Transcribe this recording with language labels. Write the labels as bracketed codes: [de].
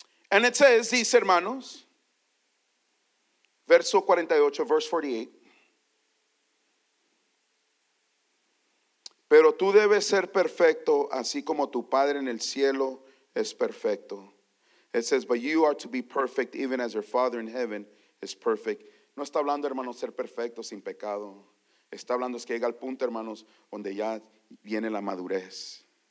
[en] And it says, [es] dice hermanos, verso 48, [en] verse 48. [es] Pero tú debes ser perfecto, así como tu Padre en el cielo es perfecto. [en] It says, but you are to be perfect, even as your Father in heaven is perfect. [es] No está hablando, hermanos, ser perfecto sin pecado. Está hablando es que llega al punto, hermanos, donde ya viene la madurez.